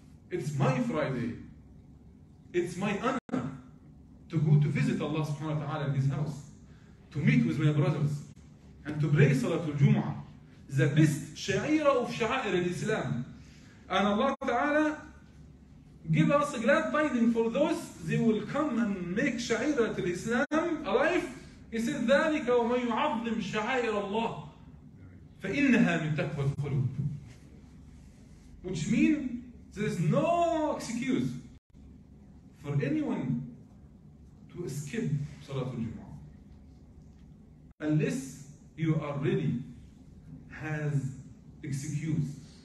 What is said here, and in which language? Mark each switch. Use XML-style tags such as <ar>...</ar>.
<en>It's my Friday. It's my honor to go to visit Allah subhanahu wa ta'ala in His house, to meet with my brothers, and to pray Salatul Jumu'ah, the best sha'ira of sha'ir al-Islam. And Allah ta'ala give us a glad finding for those they will come and make sha'ira al-Islam alive. He said,</en> <ar>ذَلِكَ وَمَنْ يُعَظِّمْ شَعَائِرَ اللَّهِ فَإِنَّهَا مِنْ تَقْوَى الْقُلُوبِ.</ar> <en>Which means there is no excuse for anyone to skip Salatul Jumu'ah unless you are ready, has excuse.</en>